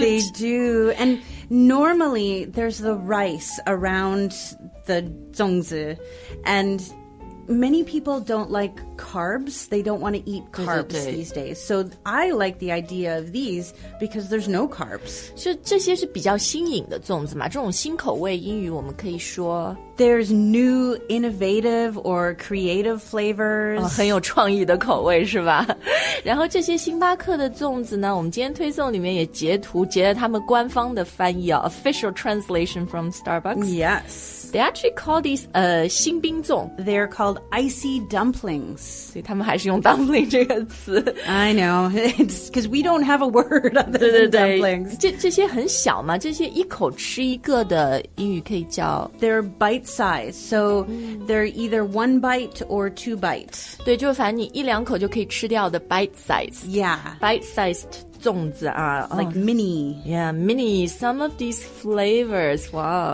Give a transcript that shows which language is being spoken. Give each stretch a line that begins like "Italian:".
English: They do And normally There's the rice Around the 粽子 And many people don't like carbs They don't want to eat carbs
Chinese: 对对对
English: these days So I like the idea of these Because there's no carbs
Chinese: 就这些是比较新颖的粽子嘛这种新口味英语我们可以说
English: There's new innovative or creative flavors.
Chinese: 很有创意的口味是吧然后这些星巴克的粽子呢我们今天推送里面也截图截了他们官方的翻译啊
English: official translation from Starbucks. Yes. They actually call these 新冰粽 They're called icy dumplings.
Chinese: 所以他们还是用 dumpling 这个词
English: I know. It's because we don't have a word other than dumplings.
Chinese: 这些很小嘛这些一口吃一个的英语可以叫
English: They're bite size, so they're either one bite or two bites.
Chinese: 对，就反正你一两口就可以吃掉的 bite size.
English: Yeah, bite sized 粽子啊 like mini. Yeah, mini. Some of these flavors, wow.